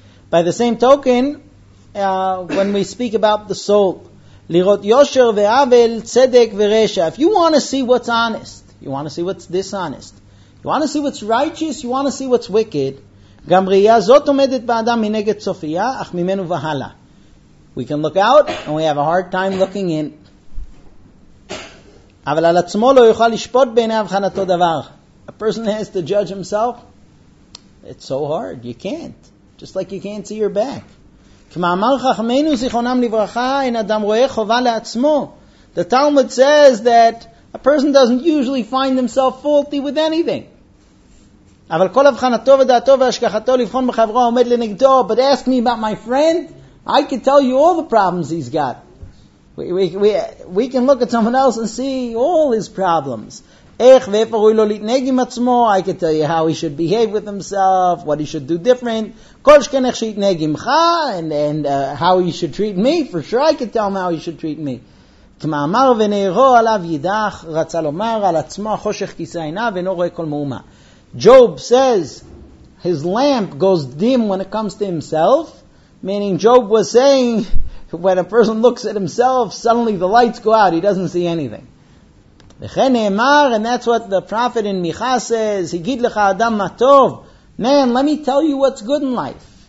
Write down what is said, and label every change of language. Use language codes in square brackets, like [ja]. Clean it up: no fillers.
[en] By the same token, when we speak about the soul, [he] לראות יושר ועוול, צדק ורשע. [en] If you want to see what's honest, you want to see what's dishonest, you want to see what's righteous, you want to see what's wicked, [he] גם ראייה זאת עומדת באדם מנגד צופייה, אך ממנו והלאה. [en] We can look out, and we have a hard time looking in. [he] אבל על עצמו לא יוכל לשפוט בעיני הבחנתו דבר. [en] A person has to judge himself. It's so hard, you can't. Just like you can't see your back. [he] כמאמר חכמנו זיכרונם לברכה, אין אדם רואה חובה לעצמו. [en] The Talmud says that a person doesn't usually find himself faulty with anything. [he] אבל כל הבחנתו ודעתו והשכחתו לבחון בחברו עומד לנגדו. [en] But ask me about my friend, I can tell you all the problems he's got. We can look at someone else and see all his problems. [he] איך ואיפה ראוי לו להתנהג עם עצמו, [en] I can tell you how he should behave with himself, what he should do different. [he] כל שכן איך שיתנהג עםך, [en] and how he should treat me, for sure I can tell him how he should treat me. [he] כמאמר ונערו עליו יידח, רצה לומר על עצמו החושך כיסא עיניו, ואינו רואה כל מאומה. [en] Job says, his lamp goes dim when it comes to himself, meaning Job was saying, when a person looks at himself, suddenly the lights go out, he doesn't see anything. And that's what the prophet in Micha says. [he] Higid lecha adam matov. [en] Man, let me tell you what's good in life.